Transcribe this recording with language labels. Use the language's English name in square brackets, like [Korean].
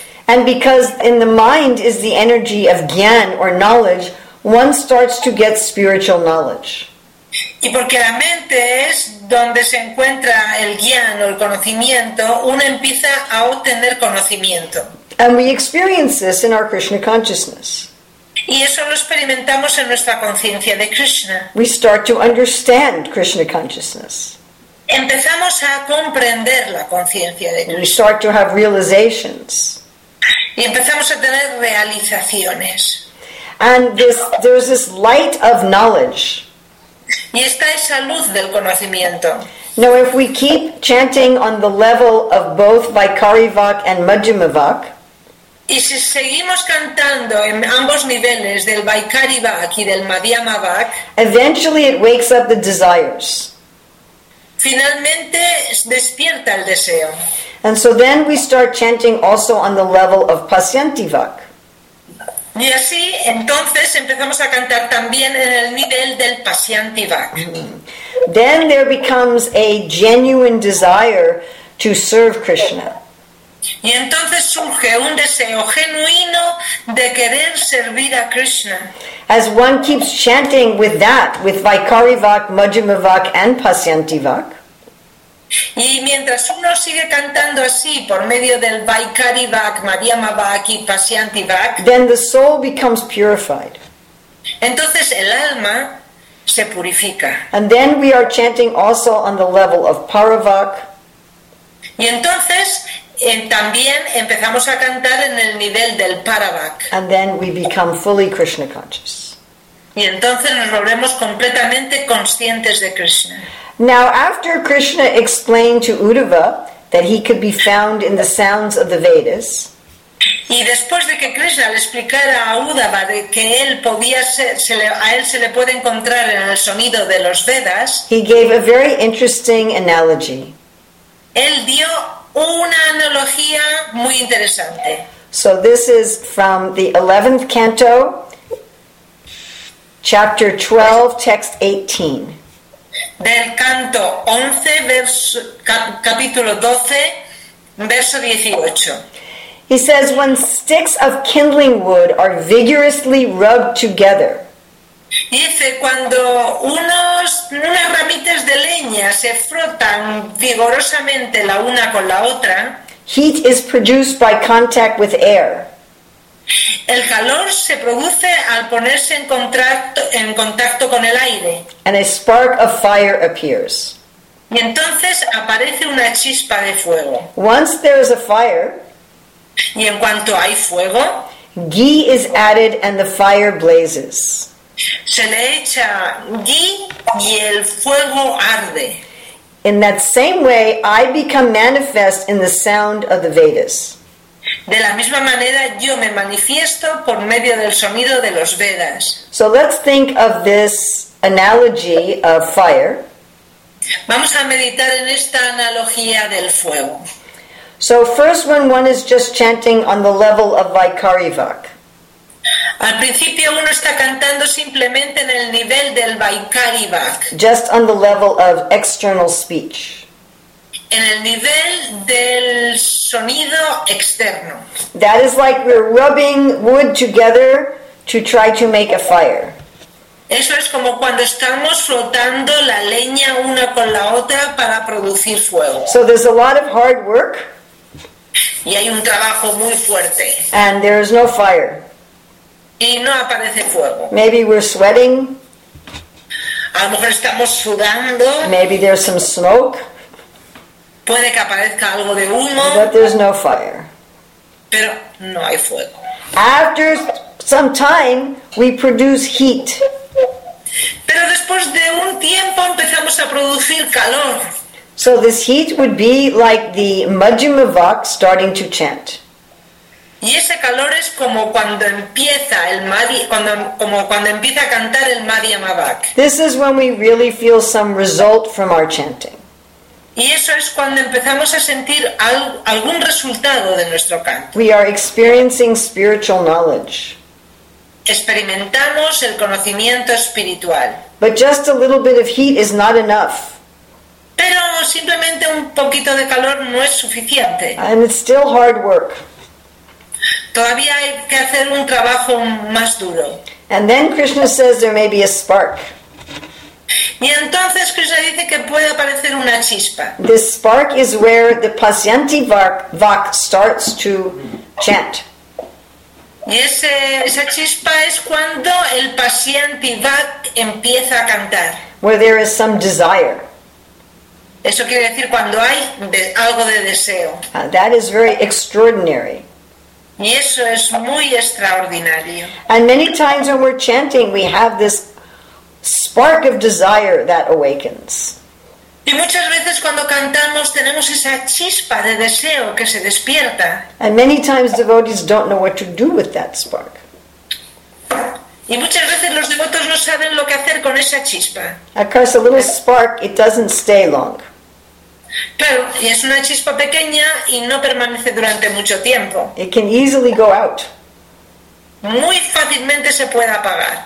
[English] And because in the mind is the energy of gyan or knowledge, one starts to get spiritual knowledge. [Spanish] Y porque la mente es donde se encuentra el gyan o el conocimiento, uno empieza a obtener conocimiento. [English] And we experience this in our Krishna consciousness. [Spanish] Y eso lo experimentamos en nuestra conciencia de Krishna. [English] We start to understand Krishna consciousness. [Spanish] Empezamos a comprender la conciencia de Krishna. [English] We start to have realizations. [Spanish] Y empezamos a tener realizaciones. [English] And there's this light of knowledge. [Spanish] Y está esa luz del conocimiento. [English] Now, if we keep chanting on the level of both Vaikari Vak and Majjhima Vak, [Spanish] y si seguimos cantando en ambos niveles del Vaikari Vak y del Madhyama Vak, [English] eventually it wakes up the desires. [Spanish] Finalmente despierta el deseo. [English] And so then we start chanting also on the level of Pasyanti Vak. [Spanish] Y así, entonces, empezamos a cantar también en el nivel del Pasyanti Vak. [English] Then there becomes a genuine desire to serve Krishna. [Spanish] Y entonces surge un deseo genuino de querer servir a Krishna. [English] As one keeps chanting with that, with Vaikari Vak, Majjhima Vak, and Pasyanti Vak, [Spanish] y mientras uno sigue cantando así por medio del Vaikari Vak, Madhyama Vak y Pasyanti Vak, [English] then the soul becomes purified. [Spanish] Entonces el alma se purifica. [English] And then we are chanting also on the level of Paravak. [Spanish] Y entonces también empezamos a cantar en el nivel del Paravak. [English] And then we become fully Krishna conscious. [Spanish] Y entonces nos volvemos completamente conscientes de Krishna. [English] Now, after Krishna explained to Uddhava that he could be found in the sounds of the Vedas, [Spanish] y después de que Krishna le explicara a Uddhava de que él podía ser, a él se le puede encontrar en el sonido de los Vedas, [English] he gave a very interesting analogy. [Spanish] Él dio una analogía muy interesante. [English] So this is from the 11th canto, chapter 12, text 18. [Spanish] Del canto 11, capítulo 12, verso 18. [English] He says, when sticks of kindling wood are vigorously rubbed together. [Spanish] Dice, cuando unas ramitas de leña se frotan vigorosamente la una con la otra, [English] heat is produced by contact with air. [Spanish] El calor se produce al ponerse en contacto con el aire. [English] And a spark of fire appears. [Spanish] Y entonces aparece una chispa de fuego. [English] Once there is a fire, [Spanish] y en cuanto hay fuego, [English] ghee is added and the fire blazes. [Spanish] Se le echa ghee y el fuego arde. [English] In that same way, I become manifest in the sound of the Vedas. [Spanish] De la misma manera, yo me manifiesto por medio del sonido de los Vedas. [English] So let's think of this analogy of fire. [Spanish] Vamos a meditar en esta analogía del fuego. [English] So first, when one is just chanting on the level of Vaikarivak. [Spanish] Al principio uno está cantando simplemente en el nivel del Vaikarivak. [English] Just on the level of external speech. [Spanish] En el nivel del sonido externo. [English] That is like we're rubbing wood together to try to make a fire. [Spanish] Eso es como cuando estamos frotando la leña una con la otra para producir fuego. [English] So there's a lot of hard work. [Spanish] Y hay un trabajo muy fuerte. [English] And there is no fire. [Spanish] Y no aparece fuego. [English] Maybe we're sweating. [Spanish] A lo mejor estamos sudando. [English] Maybe there's some smoke. [Spanish] Puede que aparezca algo de humo. [English] But there's no fire. [Spanish] Pero no hay fuego. [English] After some time, we produce heat. [Spanish] Pero después de un tiempo empezamos a producir calor. [English] So this heat would be like the Majjhima Vak starting to chant. [Spanish] Y ese calor es como cuando empieza el cuando empieza a cantar el Madhyama Vak. [English] This is when we really feel some result from our chanting. [Spanish] Y eso es cuando empezamos a sentir algún resultado de nuestro canto. [English] We are experiencing spiritual knowledge. [Spanish] Experimentamos el conocimiento espiritual. [English] But just a little bit of heat is not enough. [Spanish] Pero simplemente un poquito de calor no es suficiente. [English] And it's still hard work. [Spanish] Todavía hay que hacer un trabajo más duro. [English] And then Krishna says there may be a spark. [Spanish] Y entonces Krishna dice que puede aparecer una chispa. [English] This spark is where the Pasyanti Vak starts to chant. [Spanish] Y esa chispa es cuando el Pasyanti Vak empieza a cantar. [English] Where there is some desire. [Spanish] Eso quiere decir cuando hay algo de deseo. [English] That is very extraordinary. [Spanish] Y eso es muy extraordinario. [English] And many times when we're chanting, we have this spark of desire that awakens. [Spanish] Y muchas veces cuando cantamos tenemos esa chispa de deseo que se despierta. [English] And many times devotees don't know what to do with that spark. [Spanish] Y muchas veces los devotos no saben lo que hacer con esa chispa. [English] Of course, a little spark, it doesn't stay long. [Spanish] Claro, y es una chispa pequeña y no permanece durante mucho tiempo. [English] It can easily go out. [Spanish] Muy fácilmente se puede apagar.